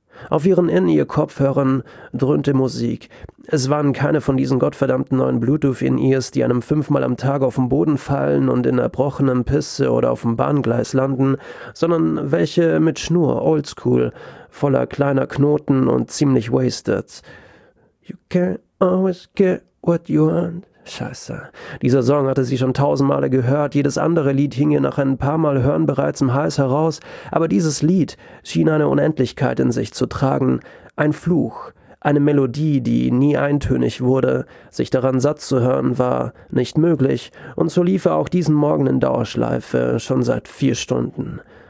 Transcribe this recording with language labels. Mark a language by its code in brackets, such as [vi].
[de] Auf ihren In-Ear-Kopfhörern dröhnte Musik. Es waren keine von diesen gottverdammten neuen Bluetooth-In-Ears, die einem fünfmal am Tag auf den Boden fallen und in erbrochenem Pisse oder auf dem Bahngleis landen, sondern welche mit Schnur, oldschool, voller kleiner Knoten und ziemlich wasted. [en] You can't always get what you want. [de] Scheiße. Dieser Song hatte sie schon tausendmale gehört, jedes andere Lied hing ihr nach ein paar Mal Hören bereits im Hals heraus, aber dieses Lied schien eine Unendlichkeit in sich zu tragen, ein Fluch, eine Melodie, die nie eintönig wurde, sich daran satt zu hören, war nicht möglich, und so lief er auch diesen Morgen in Dauerschleife, schon seit 4 Stunden.